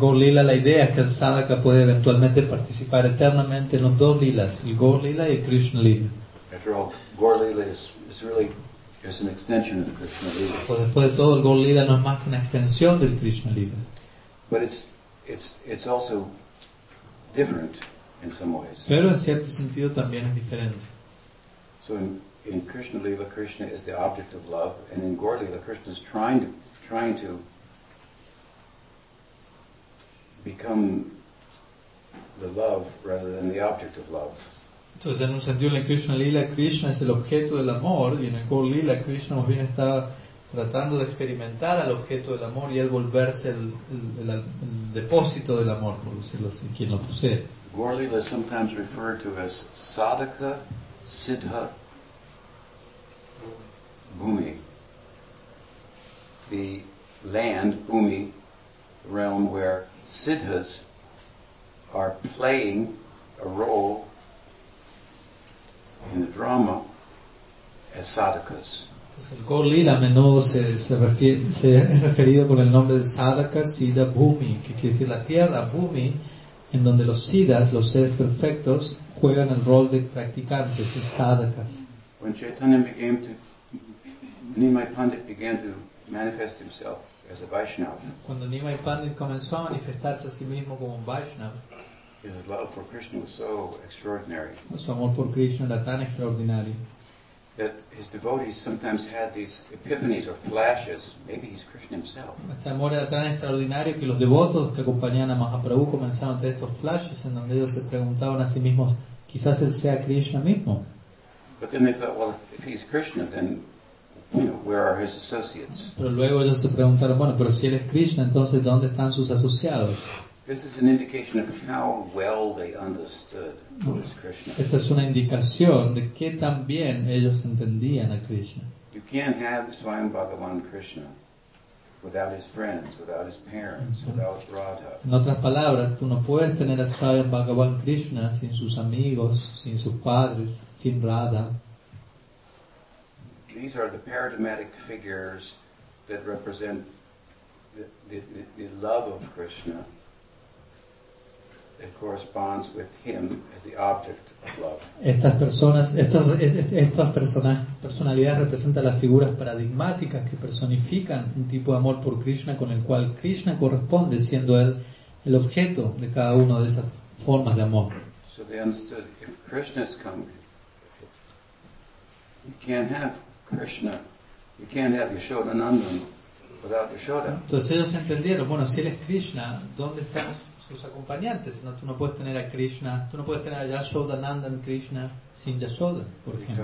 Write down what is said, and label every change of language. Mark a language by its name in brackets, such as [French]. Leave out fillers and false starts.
[Spanish] En Gaur Lila la idea es que el sadhaka puede eventualmente participar eternamente en los dos lilas, el Gaur Lila y el Krishna Lila. [English] After all, Gaur Lila is really just an extension of the Krishna Lila. [Spanish] Pues después de todo, el Gaur Lila no es más que una extensión del Krishna Lila. [English] But it's also different in some ways. [Spanish] Pero en cierto sentido también es diferente. [English] So in Krishna Lila, Krishna is the object of love, and in Gaur Lila, Krishna is trying to become the love rather than the object of love. [Spanish] Entonces, en un sentido, en Krishna Lila, Krishna es el objeto del amor, y en el Gaur Lila, Krishna más bien está tratando de experimentar al objeto del amor y él volverse el depósito del amor, por decirlo así, quien lo posee. [English] Gaur Lila is sometimes referred to as Sadhaka Siddha Bhumi. The land, Bhumi, the realm where Siddhas are playing a role in the drama as sadhakas. [Spanish] Entonces, el Gaur Lila a menudo se es referido con el nombre de sadhaka siddha bhumi, que quiere decir la tierra bhumi, en donde los siddhas, los seres perfectos, juegan el rol de practicantes, de sadhakas. [English] When Chaitanya became to Nimai Pandit began to manifest himself as a Vaishnava. [Spanish] Cuando Nimai Pandit comenzó a manifestarse a sí mismo como un Vaishnava, [English] his love for Krishna was so extraordinary. [Spanish] Su amor por Krishna era tan extraordinario. [English] That his devotees sometimes had these epiphanies or flashes. Maybe he's Krishna himself. [Spanish] Este amor era tan extraordinario que los devotos que acompañaban a Mahaprabhu comenzaron a tener estos flashes en donde ellos se preguntaban a sí mismos, quizás él sea Krishna mismo. [English] But then they thought, well, if he's Krishna, then where are his associates? [Spanish] Pero luego ellos se preguntaron, bueno, pero si él es Krishna, entonces ¿dónde están sus asociados? [English] This is an indication of how well they understood who is Krishna. [Spanish] Esta es una indicación de qué tan bien ellos entendían a Krishna. [English] You can't have Swayam Bhagavan Krishna without his friends, without his parents, without Radha. [Spanish] En otras palabras, tú no puedes tener a Swayam Bhagavan Krishna sin sus amigos, sin sus padres, sin Radha. [English] These are the paradigmatic figures that represent the love of Krishna that corresponds with him as the object of love. [Spanish] Estas personas, estas personalidades representan las figuras paradigmáticas que personifican un tipo de amor por Krishna con el cual Krishna corresponde siendo él el objeto de cada una de esas formas de amor. [English] So they understood if Krishna is coming, you can't have Krishna, you can't have Yashoda Nandan without Yashoda. [Spanish] Entonces ellos entendieron, bueno, si él es Krishna, ¿dónde están sus acompañantes? No, tú no puedes tener a Krishna, tú no puedes tener a Yashoda Nandan Krishna sin Yashoda, por ejemplo.